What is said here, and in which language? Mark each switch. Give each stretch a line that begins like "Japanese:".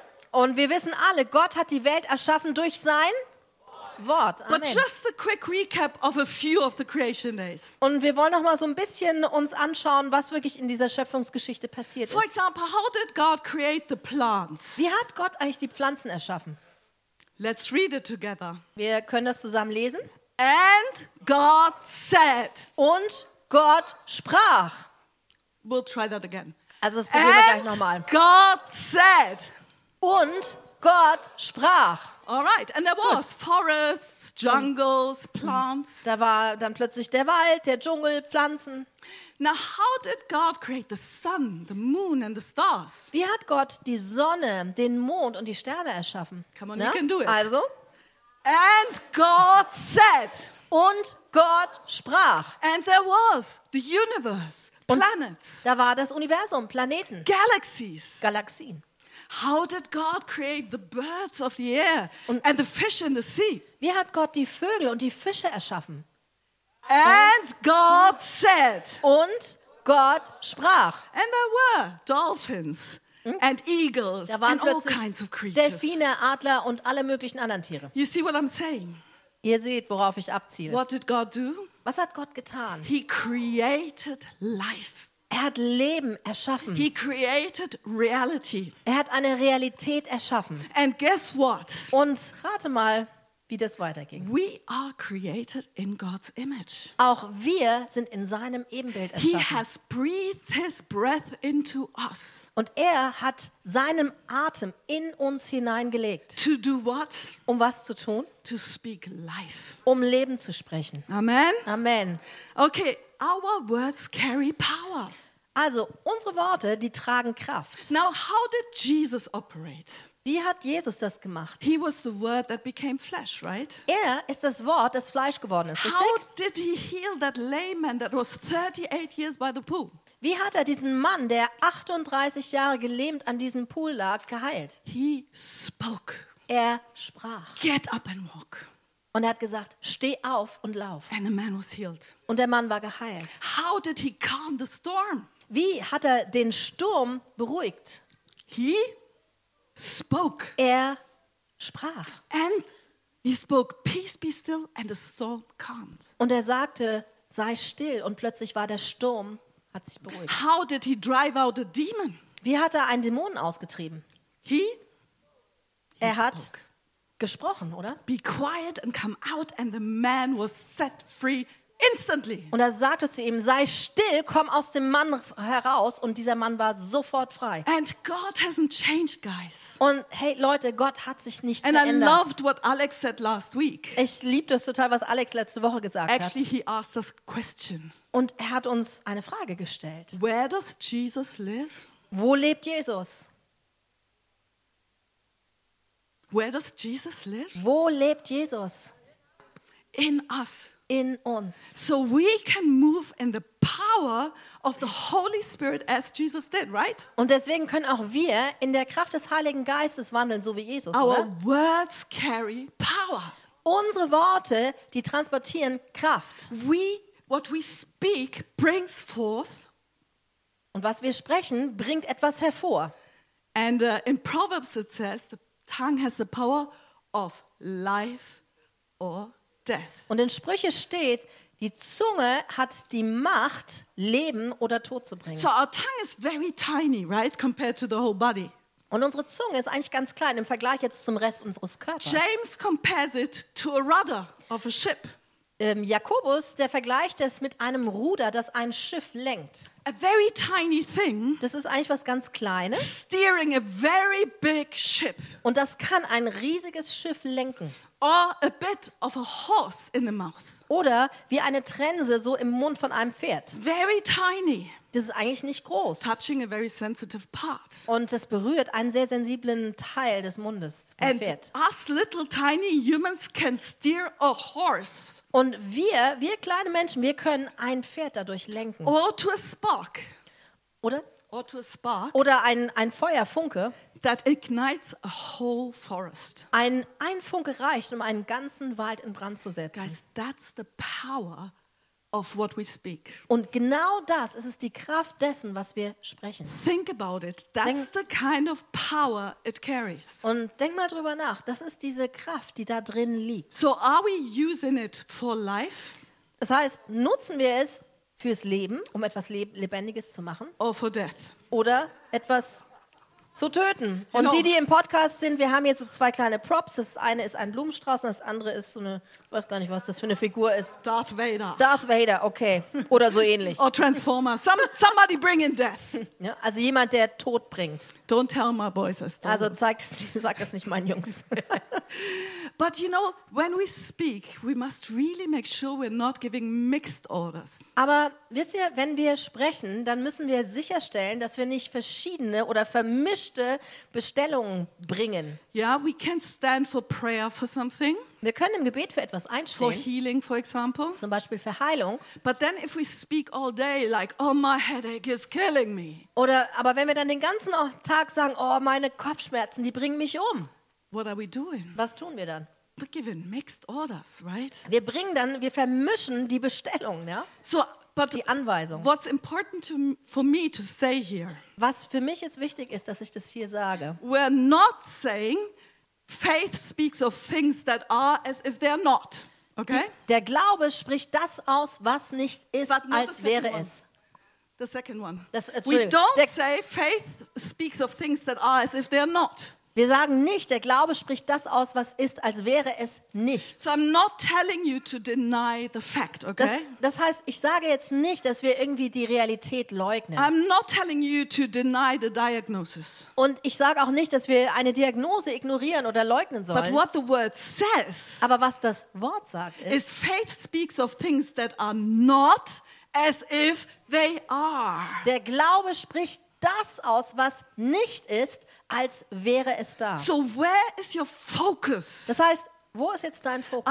German: Und wir wissen alle, Gott hat die Welt erschaffen durch sein Wort. Amen.
English: But just a quick recap of a few of the creation days.
German: Und wir wollen noch mal so ein bisschen uns anschauen, was wirklich in dieser Schöpfungsgeschichte passiert ist.
English: For example, how did God create the plants?
German: Wie hat Gott eigentlich die Pflanzen erschaffen?
English: Let's read it together.
German: Wir können das zusammen lesen.
English: And God said.
German: Und Gott sprach.
English: We'll try that again.
German: Also das probieren wir gleich nochmal.
English: God said.
German: Und Gott sprach.
English: All right. And there was forests, jungles, plants.
German: Da war dann plötzlich der Wald, der Dschungel, Pflanzen.
English: Now how did God create the sun, the moon and the stars?
German: Wie hat Gott die Sonne, den Mond und die Sterne erschaffen?
English: Come on, you can do it.
German: Also.
English: And God said.
German: Und Gott sprach.
English: And there was the universe, planets.
German: Und da war das Universum, Planeten.
English: Galaxies.
German: Galaxien.
English: How did God create the birds of the air and the fish in the sea?
German: Wie hat Gott die Vögel und die Fische erschaffen?
English: And God said.
German: Und Gott sprach.
English: And there were dolphins and eagles and all kinds of creatures.
German: Delfine, Adler und alle möglichen anderen Tiere.
English: You see what I'm saying?
German: Ihr seht, worauf ich abziele.
English: What did God do?
German: Was hat Gott getan?
English: He created life.
German: Er hat Leben erschaffen.
English: He created reality.
German: Er hat eine Realität erschaffen.
English: And guess what?
German: Und rate mal, wie das weiterging.
English: We are created in God's image.
German: Auch wir sind in seinem Ebenbild erschaffen.
English: He has breathed his breath into us.
German: Und er hat seinen Atem in uns hineingelegt.
English: To do what?
German: Um was zu tun?
English: To speak life.
German: Um Leben zu sprechen. Amen. Amen.
English: Okay, our words carry power.
German: Also, unsere Worte, die tragen Kraft.
English: Now, how did Jesus operate?
German: Wie hat Jesus das gemacht?
English: He was the word that became flesh, right?
German: Er ist das Wort, das Fleisch geworden ist, richtig?
English: How did he heal that lame man that was 38 years by the pool?
German: Wie hat er diesen Mann, der 38 Jahre gelähmt an diesem Pool lag, geheilt?
English: He spoke.
German: Er sprach.
English: Get up and walk.
German: Und er hat gesagt, steh auf und lauf.
English: And the man was healed.
German: Und der Mann war geheilt.
English: How did he calm the storm?
German: Wie hat er den Sturm beruhigt?
English: He spoke.
German: Er sprach.
English: And he spoke, peace be still and the storm calmed.
German: Und er sagte, sei still und plötzlich war der Sturm, hat sich beruhigt.
English: How did he drive out a demon?
German: Wie hat er einen Dämonen ausgetrieben?
English: He
German: hat gesprochen, oder?
English: Be quiet and come out and the man was set free instantly.
German: Und er sagte zu ihm, sei still, komm aus dem Mann heraus und dieser Mann war sofort frei.
English: And God hasn't changed, guys.
German: Und hey Leute, Gott hat sich nicht
English: and
German: verändert.
English: I loved what Alex said last week.
German: Ich liebe das total, was Alex letzte Woche gesagt
English: Actually,
German: hat.
English: He asked this question.
German: Und er hat uns eine Frage gestellt.
English: Where does Jesus live?
German: Wo lebt Jesus?
English: Where does Jesus live?
German: Wo lebt Jesus?
English: In us.
German: In uns.
English: So we can move in the power of the Holy Spirit as Jesus did, right?
German: Und deswegen können auch wir in der Kraft des Heiligen Geistes wandeln, so wie Jesus,
English: Our
German: oder?
English: Words carry power.
German: Unsere Worte, die transportieren Kraft.
English: What we speak brings forth.
German: Und was wir sprechen, bringt etwas hervor.
English: And in Proverbs it says the tongue has the power of life or death.
German: Und in Sprüche steht, die Zunge hat die Macht, Leben oder Tod zu bringen.
English: So our tongue is very tiny, right, compared to the whole body.
German: Und unsere Zunge ist eigentlich ganz klein im Vergleich jetzt zum Rest unseres Körpers.
English: James compares it to a rudder of a ship.
German: Jakobus, der vergleicht es mit einem Ruder, das ein Schiff lenkt.
English: A very tiny thing.
German: Das ist eigentlich was ganz Kleines.
English: Steering a very big ship.
German: Und das kann ein riesiges Schiff lenken.
English: Or a bit of a horse in the mouth.
German: Oder wie eine Trense so im Mund von einem Pferd.
English: Very tiny.
German: Das ist eigentlich nicht groß.
English: Touching a very sensitive part.
German: Und das berührt einen sehr sensiblen Teil des Mundes vom
English: And
German: Pferd.
English: Us little tiny humans can steer a horse.
German: Und wir kleine Menschen, wir können ein Pferd dadurch lenken.
English: Or to a spark.
German: Oder?
English: Or to a spark.
German: Oder ein Feuerfunke.
English: That ignites a whole forest.
German: Ein Funke reicht, um einen ganzen Wald in Brand zu setzen.
English: Guys, that's the power of what we speak.
German: Und genau das, es ist die Kraft dessen, was wir sprechen.
English: Think about it. That's the kind of power it carries.
German: Und denk mal drüber nach, das ist diese Kraft, die da drin liegt.
English: So are we using it for life?
German: Das heißt, nutzen wir es fürs Leben, um etwas Lebendiges zu machen?
English: Or for death?
German: Oder etwas zu töten? Und die, die im Podcast sind, wir haben hier so zwei kleine Props. Das eine ist ein Blumenstrauß und das andere ist so eine, ich weiß gar nicht, was das für eine Figur ist. Darth Vader. Darth Vader, okay. Oder so ähnlich.
English: Or Transformer. Somebody bring in death.
German: Ja, also jemand, der Tod bringt.
English: Don't tell my boys I stole.
German: Also sag es nicht meinen Jungs.
English: But you know, when we speak, we must really make sure we're not giving mixed orders.
German: Aber wisst ihr, wenn wir sprechen, dann müssen wir sicherstellen, dass wir nicht verschiedene oder vermischte Bestellungen bringen.
English: Yeah, we can stand for prayer for something.
German: Wir können im Gebet für etwas einstehen.
English: For healing, for example.
German: Zum Beispiel für Heilung.
English: But then if we speak all day like, oh, my headache is killing me.
German: Oder aber wenn wir dann den ganzen Tag sagen, oh, meine Kopfschmerzen, die bringen mich um.
English: What are we doing?
German: Was tun wir dann?
English: We're giving mixed orders, right?
German: Wir bringen dann, wir vermischen die Bestellung, ja?
English: So, but
German: die Anweisung.
English: What's important to, for me to say here?
German: Was für mich jetzt wichtig ist, dass ich das hier sage.
English: We're not saying faith speaks of things that are as if they're not. Okay?
German: Der Glaube spricht das aus, was nicht ist, als wäre es.
English: The second one.
German: Das,
English: we don't say faith speaks of things that are as if they're not.
German: Wir sagen nicht, der Glaube spricht das aus, was ist, als wäre es nicht.
English: So I'm not telling you to deny the fact, okay?
German: Das heißt, ich sage jetzt nicht, dass wir irgendwie die Realität leugnen.
English: I'm not telling you to deny the diagnosis.
German: Und ich sage auch nicht, dass wir eine Diagnose ignorieren oder leugnen sollen.
English: But what the word says,
German: aber was das Wort sagt, ist,
English: faith speaks of things that are not as if they are.
German: Der Glaube spricht das aus, was nicht ist, als wäre es da.
English: So where is your focus?
German: Das heißt, wo ist jetzt dein Fokus?